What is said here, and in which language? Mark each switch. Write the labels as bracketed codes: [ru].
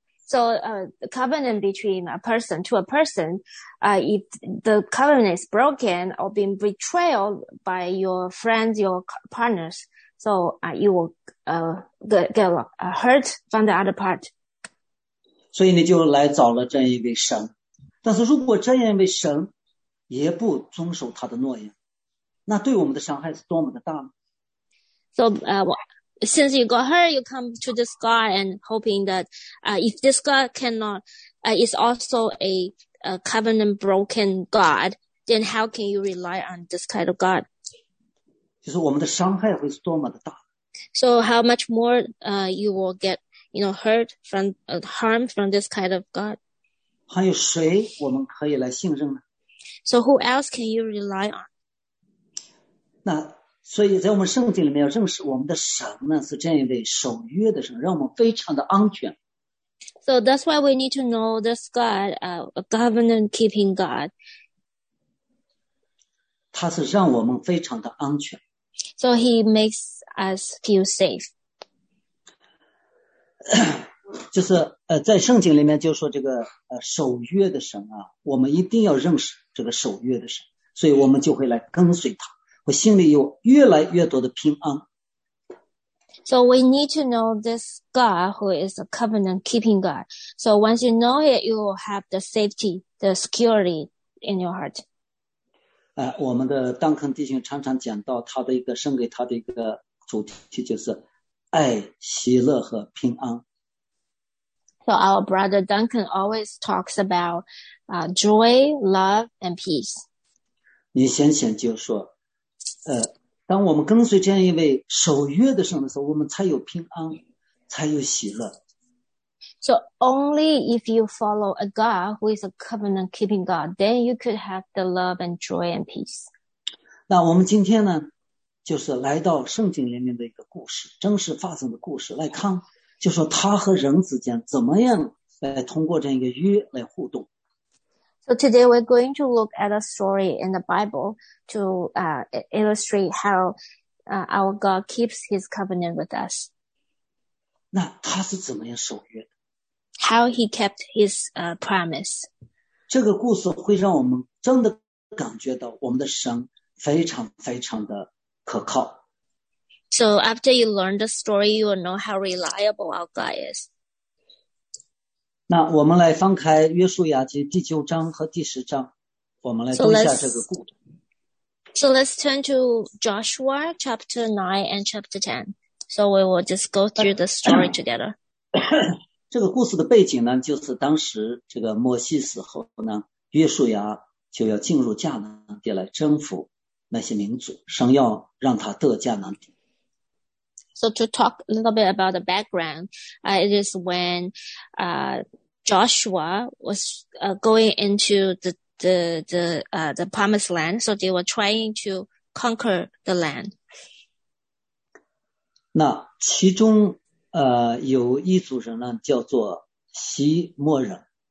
[en] So, the covenant between a person to a person, if the covenant is broken or being betrayed by your friends, your partners, so, you will, get hurt from the other part. [zh] 所以你就来找了这样一位神。但是如果这样一位神也不遵守他的诺言，那对我们的伤害是多么的大呢？ [en] So, since you got hurt, you come to this God and hoping that, if this God cannot, is also a covenant broken God, then how can you rely on this kind of God? [zh] 就是我们的伤害会是多么的大。 [en] So how much more, you will get, you know, hurt from, harm from this kind of God? [zh] 还有谁我们可以来信任呢？ [en] So who else can you rely on? [zh] 那所以在我们圣经里面要认识我们的神呢，是这样一位守约的神，让我们非常的安全。 [en] So that's why we need to know this God, a covenant keeping God. [zh] 他是让我们非常的安全。 [en] So he makes us feel safe. [zh] 就是在圣经里面就说这个守约的神啊，我们一定要认识这个守约的神，所以我们就会来跟随他。我心里有越来越多的平安。 [en] So we need to know this God who is a covenant keeping God. So once you know it, you will have the safety, the security in your heart. [zh] 我们的当肯弟兄常常讲到他的一个送给他的一个主题就是爱、喜乐和平安。 [en] So our brother Duncan always talks about, joy, love, and peace. [zh] 你想想就说当我们跟随这样一位守约的神的时候，我们才有平安，才有喜乐。 [en] So only if you follow a God who is a covenant-keeping God, then you could have the love and joy and peace. [zh] 那我们今天呢，就是来到圣经里面的一个故事，真实发生的故事来看，就说他和人之间怎么样来通过这样一个约来互动。 [en] So today we're going to look at a story in the Bible to illustrate how our God keeps his covenant with us. [zh] 那他是怎么样守约的? [en] How he kept his promise. [zh] 这个故事会让我们真的感觉到我们的神非常非常的可靠。 [en] So after you learn the story, you will know how reliable our God is. [zh] 那我们来翻开约书亚记第九章和第十章，我们来读一下这个故事。 [en] So let's turn to Joshua chapter 9 and chapter 10. So we will just go through the story together. [zh] 这个故事的背景呢，就是当时这个摩西死后呢，约书亚就要进入迦南地来征服那些民族，神要让他得迦南地。 [en] So to talk a little bit about the background, it is when, Joshua was, going into the promised land. So they were trying to conquer the land. [zh] 那其中，有一组人呢，叫做希莫人。